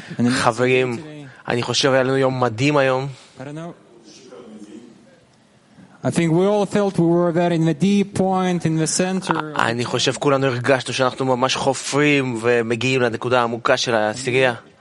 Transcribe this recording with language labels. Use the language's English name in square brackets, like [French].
[Hebrew] חברים, אני חושב היה לנו יום מדהים היום. [English] I think we all felt we were there in the deep point in the center. [Hebrew] אני חושב כולנו הרגשנו שאנחנו ממש חופרים ומגיעים לנקודה העמוקה של הסירה.